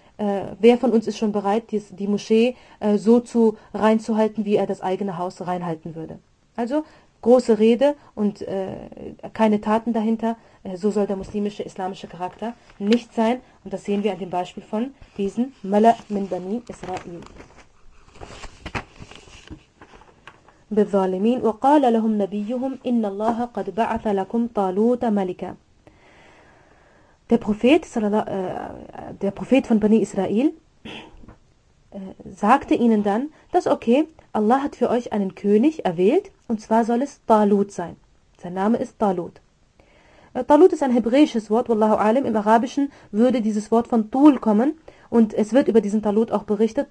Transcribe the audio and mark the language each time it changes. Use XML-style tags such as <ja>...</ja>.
<de>Wer von uns ist schon bereit, die Moschee so zu reinzuhalten, wie er das eigene Haus reinhalten würde. Also, große Rede und keine Taten dahinter, so soll der muslimische, islamische Charakter nicht sein. Und das sehen wir an dem Beispiel von diesen</de> <ar>Mala min Bani Israel. بالظالمين وقال لهم نبيهم إن الله قد بعث لكم طالوت ملكا.</ar> <de>Der Prophet von Bani Israel sagte ihnen dann, dass okay, Allah hat für euch einen König erwählt, und zwar soll es Talut sein. Sein Name ist Talut. Talut ist ein hebräisches Wort,</de> <ar>wallahu alim.</ar> <de>Im Arabischen würde dieses Wort von Tul kommen, und es wird über diesen Talut auch berichtet.</de>